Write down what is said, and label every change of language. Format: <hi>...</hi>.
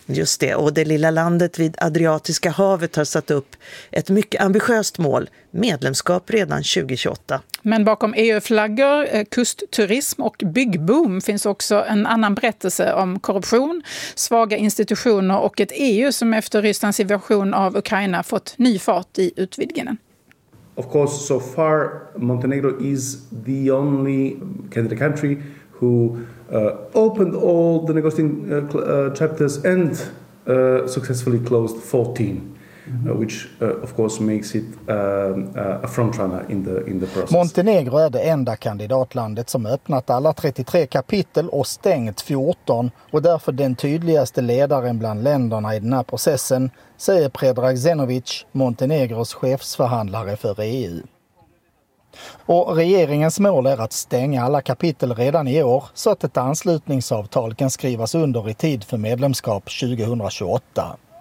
<sv>Just det, och det lilla landet vid Adriatiska havet har satt upp ett mycket ambitiöst mål, medlemskap redan 2028. Men bakom EU-flaggor, kustturism och byggboom finns också en annan berättelse om korruption, svaga institutioner och ett EU som efter Rysslands invasion av Ukraina fått ny fart i utvidgningen.</sv> <en>Of course, so far Montenegro is the only candidate country who opened all the negotiating chapters and successfully closed 14, which of course makes it a frontrunner in the process.</en> <sv>Montenegro är det enda kandidatlandet som öppnat alla 33 kapitel och stängt 14 och därför den tydligaste ledaren bland länderna i den här processen, säger Predrag Zenovic, Montenegros chefsförhandlare för EU. Och regeringens mål är att stänga alla kapitel redan i år så att ett anslutningsavtal kan skrivas under i tid för medlemskap 2028.</sv>